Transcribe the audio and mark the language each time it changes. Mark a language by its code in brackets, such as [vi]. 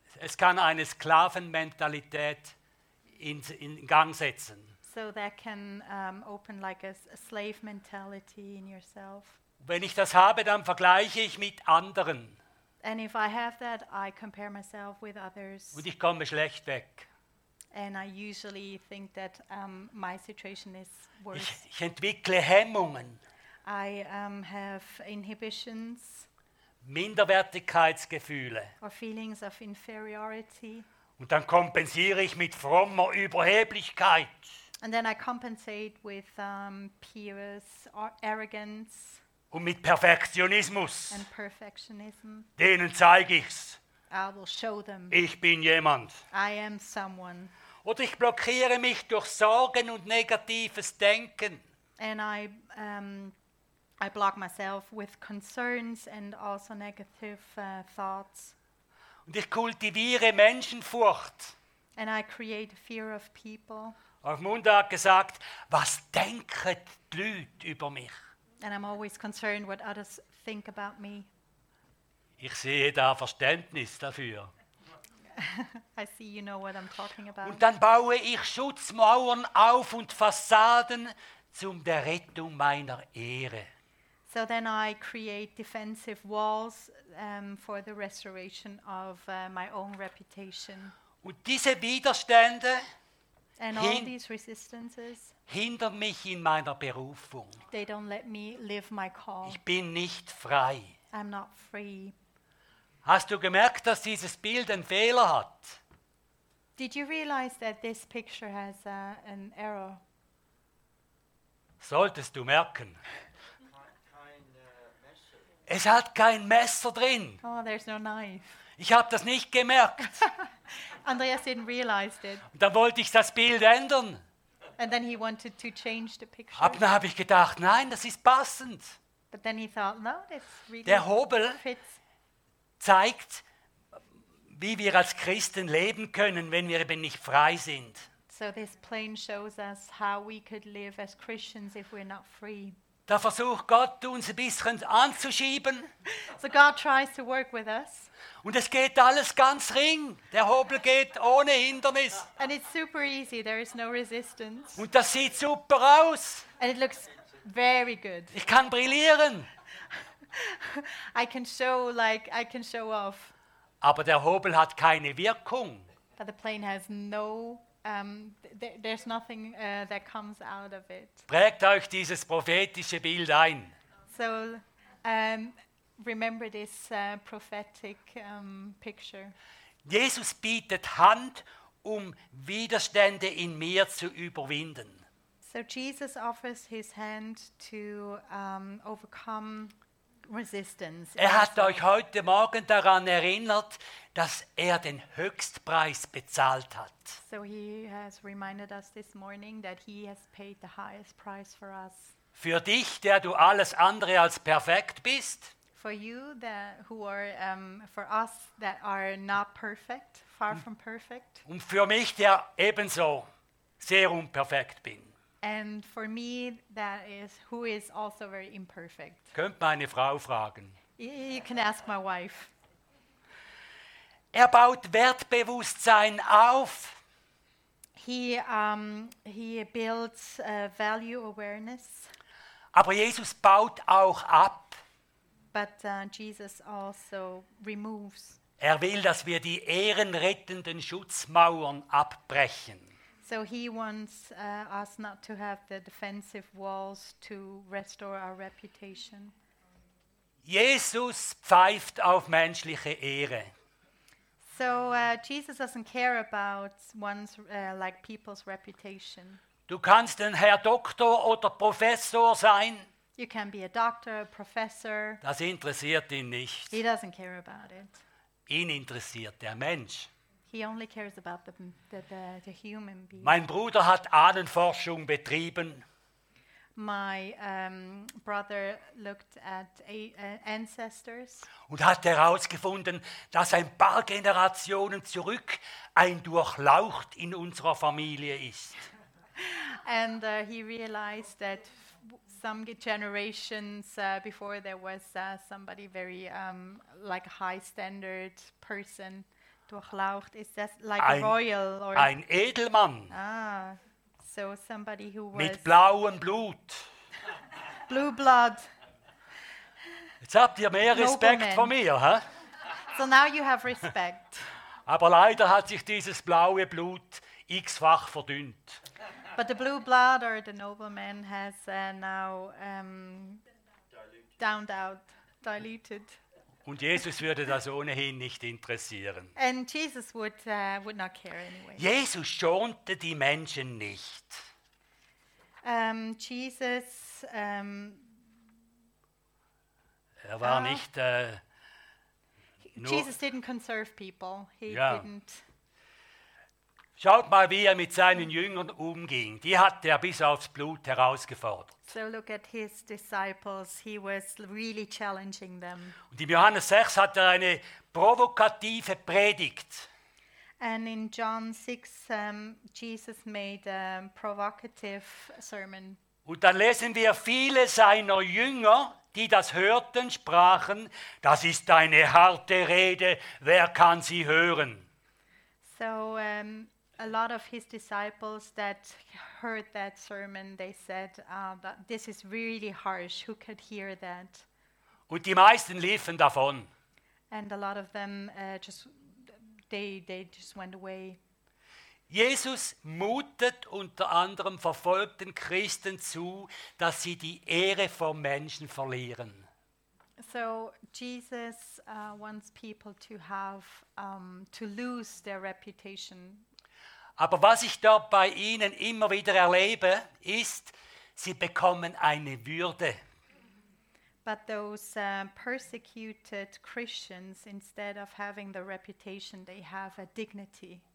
[de] es kann eine Sklavenmentalität in Gang setzen. [en] So that can open like a slave mentality in yourself. [de] Wenn ich das habe, dann vergleiche ich mit anderen. [en] And if I have that, I compare myself with others. [de] Und ich komme schlecht weg. [en] And I usually think that my situation is worse. [de] Ich entwickle Hemmungen. [en] I have inhibitions. [de] Minderwertigkeitsgefühle. [en] Or feelings of inferiority. [de] Und dann kompensiere ich mit frommer Überheblichkeit. [en] And then I compensate with pious arrogance. [de] Und mit Perfektionismus. [en] And perfectionism. [de] Denen zeige ich's. [en] I will show them. [de] Ich bin jemand. [en] I am someone. [de] Oder ich blockiere mich durch Sorgen und negatives Denken. [en] And I block myself with concerns and also negative thoughts. [de] Und ich kultiviere Menschenfurcht. [en] And I create fear of people. [de] Auf Munda hat gesagt, was denken die Leute über mich? [en] And I'm always concerned what others think about me. [de] Ich sehe da Verständnis dafür. [en] I see you know what I'm talking about. [de] Und dann baue ich Schutzmauern auf und Fassaden zum der Rettung meiner Ehre. [en] So then I create defensive walls for the restoration of my own reputation. [de] Und diese Widerstände [en] and all these resistances [de] hindern mich in meiner Berufung. [en] They don't let me live my call. [de] Ich bin nicht frei. [en] I'm not free. [de] Hast du gemerkt, dass dieses Bild einen Fehler hat? [en] Did you realize that this picture has an error? [de] Solltest du merken. Kein Messer. Es hat kein Messer drin. [en] Oh, there's no knife. [de] Ich habe das nicht gemerkt. [en] Andreas didn't realize it. [de] Und dann wollte ich das Bild ändern. [en] And then he wanted to change the picture. [de] Ab dann habe ich gedacht, nein, das ist passend. [en] But then he thought, no, this really [de] der Hobel [en] fits. [de] Zeigt, wie wir als Christen leben können, wenn wir eben nicht frei sind. [en] So this plane shows us how we could live as Christians if we're not free. [de] Da versucht Gott uns ein bisschen anzuschieben. [en] So God tries to work with us. [de] Und es geht alles ganz ring. Der Hobel geht ohne Hindernis. [en] And it's super easy. There is no resistance. [de] Und das sieht super aus. [en] And it looks very good. [de] Ich kann brillieren. [en] I can show off. [de] Aber der Hobel hat keine Wirkung. [en] But the plane has no there's nothing that comes out of it. [de] Prägt euch dieses prophetische Bild ein. [en] So remember this prophetic picture. [de] Jesus bietet Hand, um Widerstände in mir zu überwinden. [en] So Jesus offers his hand to overcome resistance. [de] Er hat euch heute Morgen daran erinnert, dass er den Höchstpreis bezahlt hat. [en] So he has reminded us this morning that he has paid the highest price for us. [de] Für dich, der du alles andere als perfekt bist. [en] For you that who are for us that are not perfect, far from perfect. [de] Und für mich, der ebenso sehr unperfekt bin. [en] And for me, that is who is also very imperfect. [de] Könnt meine Frau fragen. [en] You can ask my wife. [de] Er baut Wertbewusstsein auf. [en] He builds value awareness. [de] Aber Jesus baut auch ab. [en] But Jesus also removes. [de] Er will, dass wir die ehrenrettenden Schutzmauern abbrechen. [en] So he wants us not to have the defensive walls to restore our reputation. [de] Jesus pfeift auf menschliche Ehre. [en] So Jesus doesn't care about one's like people's reputation. [de] Du kannst ein Herr Doktor oder Professor sein. [en] You can be a doctor, a professor. [de] Das interessiert ihn nicht. [en] He doesn't care about it. [de] Ihn interessiert der Mensch. [en] He only cares about the human being. [de] Mein Bruder hat Ahnenforschung betrieben. [en] My brother looked at ancestors. [de] Und hat herausgefunden, dass ein paar Generationen zurück ein Durchlaucht in unserer Familie ist. [en] And he realized that some generations before there was somebody very like a high standard person. [de] Durchlaucht, ist das [en] like [de] ein, [en] royal or [de] ein Edelmann. [en] So somebody who was [de] mit blauem Blut. [en] Blue blood. [de] Jetzt habt ihr mehr Respekt vor mir, hä? Huh? [en] So now you have respect. [de] Aber leider hat sich dieses blaue Blut x-fach verdünnt. [en] But the blue blood or the nobleman has now downed out, diluted. [de] Und Jesus würde das ohnehin nicht interessieren. [en] And Jesus would not care anyway. [de] Jesus schonte die Menschen nicht. [en] Jesus. [de] Er war nicht. [en] Jesus didn't conserve people. He didn't. [de] Schaut mal, wie er mit seinen Jüngern umging. Die hat er bis aufs Blut herausgefordert. [en] So look at his disciples. He was really challenging them. [de] Und in Johannes 6 hat er eine provokative Predigt. [en] And in John 6, Jesus made a provocative sermon. [de] Und dann lesen wir, viele seiner Jünger, die das hörten, sprachen, das ist eine harte Rede, wer kann sie hören? [en] So, a lot of his disciples that heard that sermon, they said, that this is really harsh. Who could hear that? [de] Und die meisten liefen davon. [en] And a lot of them just went away. [de] Jesus mutet unter anderem verfolgten Christen zu, dass sie die Ehre vor Menschen verlieren. [en] So Jesus wants people to have to lose their reputation. [de] Aber was ich da bei ihnen immer wieder erlebe, ist, sie bekommen eine Würde. [en] But those persecuted Christians, instead of having the reputation, they have a dignity.